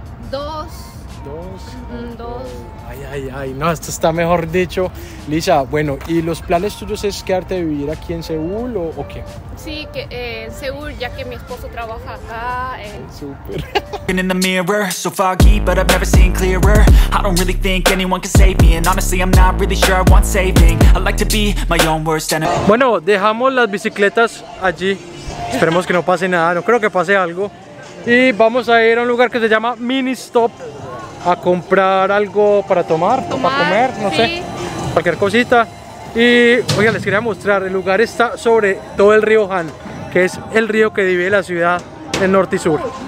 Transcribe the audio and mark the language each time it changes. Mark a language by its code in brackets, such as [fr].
[es] Dos. dos. Ay, ay, ay, no, esto está mejor dicho. Lisa, bueno, ¿y los planes tuyos es quedarte a vivir aquí en Seúl o qué? Sí, que en Seúl, ya que mi esposo trabaja acá. Súper. [en] In the mirror, so foggy, but I've never seen clearer. I don't really think anyone can save me, and honestly, I'm not really sure I want saving. I like to be my own worst enemy. [es] Bueno, dejamos las bicicletas allí. Esperemos que no pase nada. No creo que pase algo. Y vamos a ir a un lugar que se llama Mini Stop a comprar algo para tomar, tomar o para comer, no sí. sé, cualquier cosita. Y oiga, les quería mostrar, el lugar está sobre todo el río Han, que es el río que divide la ciudad en norte y sur.